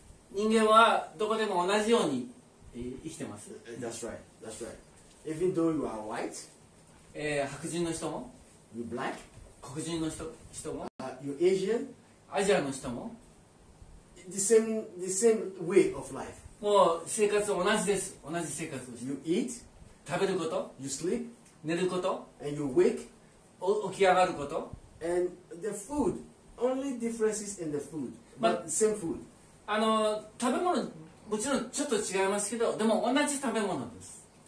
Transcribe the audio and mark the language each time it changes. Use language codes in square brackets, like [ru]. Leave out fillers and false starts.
[ja] 人間はどこでも同じように生きてます。 [en] That's right. Even though you are white. [ja] 白人の人も。 [en] You black. [ja] 黒人の人も、 [en] you Asian? [ja] アジアの人も、 [en] the same way of life. [ja] もう生活同じです。同じ生活です。 [en] You eat? [ja] 食べること。 [en] You sleep? [ja] 寝ること。 [en] And you wake? [ja] 起き上がること。 [en] And the food, only differences in the food, but same food. [ja] 食べ物もちろんちょっと違いますけど、でも同じ食べ物です。